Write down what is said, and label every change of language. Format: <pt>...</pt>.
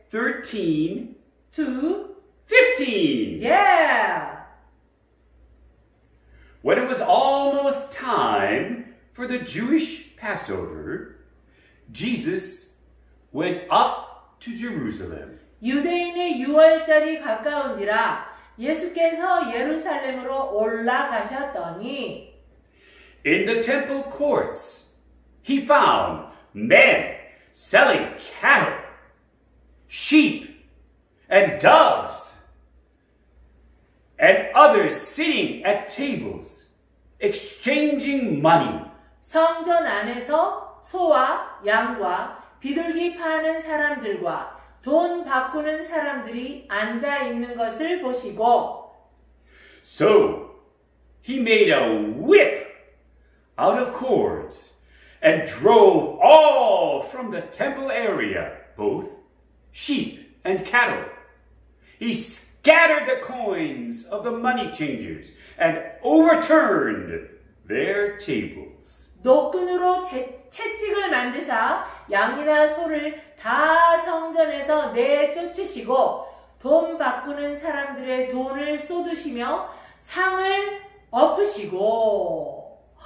<en>13 to 15. Yeah. When it was almost time for the Jewish Passover, Jesus went up to Jerusalem.</en> <ko>유대인의 유월절이 가까운지라 예수께서 예루살렘으로 올라가셨더니</ko> <en>In the temple courts, he found men selling cattle, sheep, and doves, and others sitting at tables, exchanging money.</en> <ko>성전 안에서 소와 양과 비둘기 파는 사람들과 돈 바꾸는 사람들이 앉아 있는 것을 보시고</ko> <en>So, he made a whip out of cords and drove all from the temple area, both sheep and cattle. He scattered the coins of the money changers and overturned their tables.</en> <ko>노끈으로 채찍을 만드사 양이나 소를 다 성전에서 내쫓으시고 돈 바꾸는 사람들의 돈을 쏟으시며 상을 엎으시고</ko>